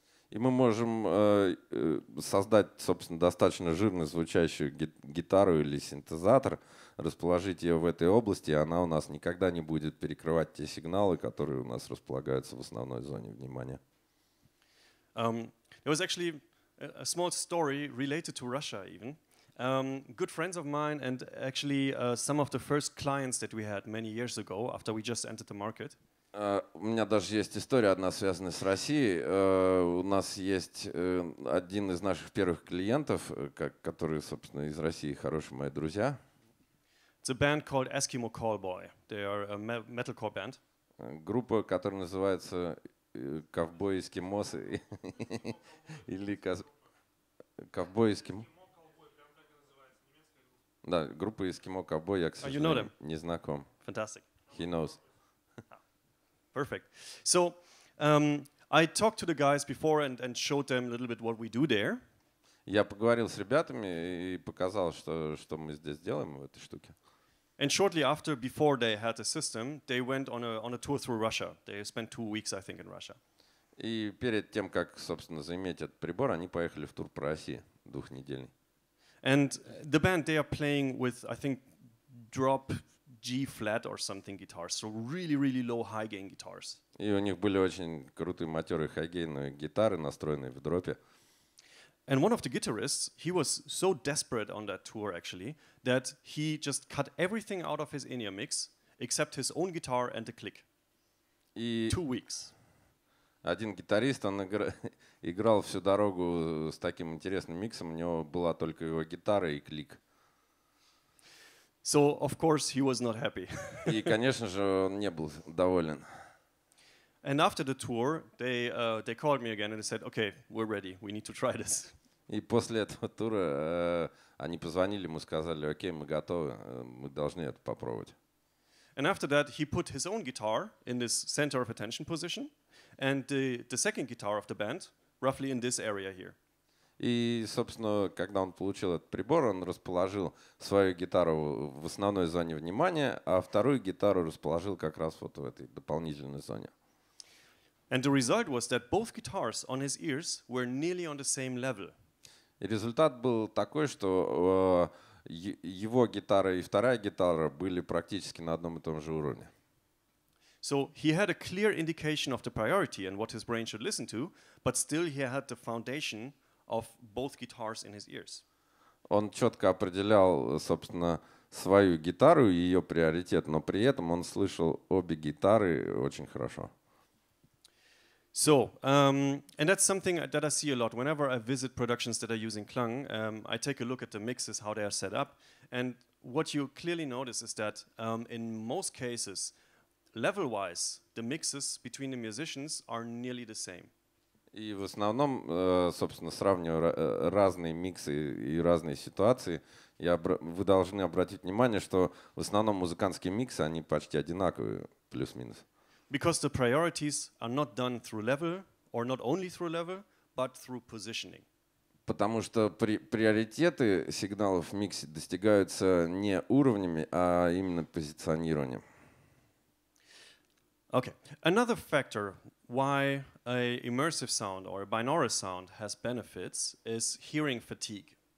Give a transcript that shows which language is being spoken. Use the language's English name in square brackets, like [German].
[Russian] И мы можем создать, собственно, достаточно жирно звучащую гитару или синтезатор, расположить ее в этой области, и она у нас никогда не будет перекрывать те сигналы, которые у нас располагаются в основной зоне внимания. [English] There was actually a small story related to Russia even. Good friends of mine and actually some of the first clients that we had many years ago after we just entered the market. [Russian] У меня даже есть история одна, связанная с Россией. У нас есть один из наших первых клиентов, которые, собственно, из России, хорошие мои друзья. [English] It's a band called Eskimo Callboy. They are a metalcore band. [Russian] Группа, которая называется Ковбой Эскимосы. Или Ковбой Эскимо. Да, группа Eskimo Cowboy, я, к сожалению, [English] you know [Russian] не знаком. [English] Fantastic. He knows. Perfect. So, I talked to the guys before and showed them a little bit what we do there. [Russian] Я поговорил с ребятами и показал, что мы здесь делаем в этой штуке. [English] And shortly after, before they had the system, they went on a tour through Russia. They spent 2 weeks, I think, in Russia. [Russian] И перед тем, как, собственно, заиметь этот прибор, они поехали в тур по России двухнедельный. [English] And the band, they are playing with, I think, drop G flat or something guitars. So really, really low high gain guitars. [Russian] И у них были очень крутые матерые хай-гейновые гитары, настроенные в дропе. [English] And one of the guitarists, he was so desperate on that tour, actually, that he just cut everything out of his in-ear mix, except his own guitar and the click. [Russian] И [English] 2 weeks. [Russian] Один гитарист, он играл всю дорогу с таким интересным миксом, у него была только его гитара и клик. [English] So, of course, he was not happy. [Russian] И, конечно же, он не был доволен. [English] And after the tour, they called me again and they said, "Okay, we're ready. We need to try this." [Russian] И после этого тура они позвонили, мы сказали, "Окей, мы готовы. Мы должны это попробовать." [English] And after that, he put his own guitar in this center of attention position, and the second guitar of the band, roughly in this area here. [Russian] И, собственно, когда он получил этот прибор, он расположил свою гитару в основной зоне внимания, а вторую гитару расположил как раз вот в этой дополнительной зоне. [English] And the result was that both guitars on his ears were nearly on the same level. [Russian] И результат был такой, что его гитара и вторая гитара были практически на одном и том же уровне. [English] So he had a clear indication of the priority and what his brain should listen to, but still he had the foundation of both guitars in his ears. [Russian] Он четко определял, собственно, свою гитару и ее приоритет, но при этом он слышал обе гитары очень хорошо. [English] So, and that's something that I see a lot. Whenever I visit productions that are using KLANG, I take a look at the mixes, how they are set up. And what you clearly notice is that in most cases, level-wise, the mixes between the musicians are nearly the same. [Russian] И в основном, собственно, сравнивая разные миксы и разные ситуации, вы должны обратить внимание, что в основном музыкантские миксы, они почти одинаковые, плюс-минус. [English] Because the priorities are not done through level, or not only through level, but through positioning. [Russian] Потому что приоритеты сигналов в миксе достигаются не уровнями, а именно позиционированием. [English] Okay. Another factor why a immersive sound or a binaural sound has benefits is hearing fatigue.